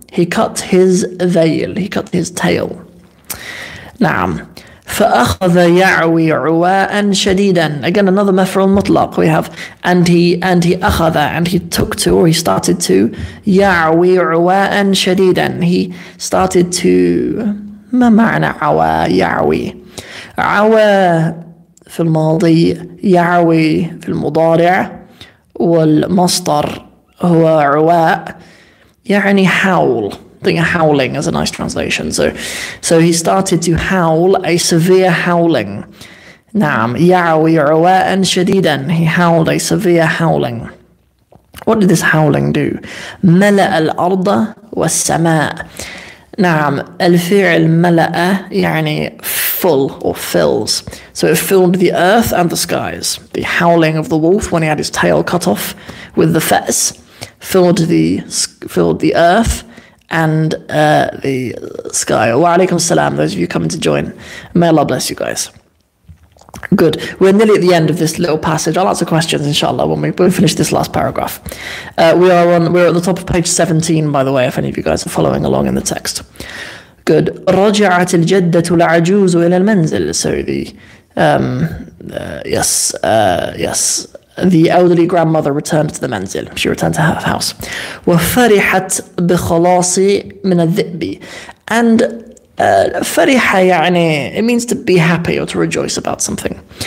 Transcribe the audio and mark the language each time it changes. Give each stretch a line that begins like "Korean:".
English: He cut his veil. He cut his tail. نعم.
Arabic: فأخذ يعوي عواء شديدا.
English: Again, another مفعول مطلق. We have and he أخذ, and he took to, or he started to,
Arabic: يعوي عواء شديدا.
English: He started to.
Arabic: ما معنى عواء يعوي؟ عواء في الماضي, يعوي في المضارع, والمصدر هو عواء. يعني
English: howl. I think howling is a nice translation. So he started to howl, a severe howling.
Arabic: نعم, يعوي عواء شديدا.
English: He howled a severe howling. What did this howling do?
Arabic: ملأ الأرض والسماء. نعم, الفعل ملأ يعني
English: full or fills. So it filled the earth and the skies. The howling of the wolf when he had his tail cut off with the fess filled the earth and the sky. Wa alaykum salam, those of you coming to join. May Allah bless you guys. Good. We're nearly at the end of this little passage. I'll answer questions, inshallah, when we finish this last paragraph. We're at the top of page 17, by the way, if any of you guys are following along in the text. Good.
Arabic: رجعت الجدة العجوز إلى المنزل.
English: So the elderly grandmother returned to the manzil. She returned to her house.
Arabic: وَفَرِحَتْ بِخَلَاصِ مِنَ الذِّئْبِ.
English: And فَرِحَ يعني, it means to be happy or to rejoice about something.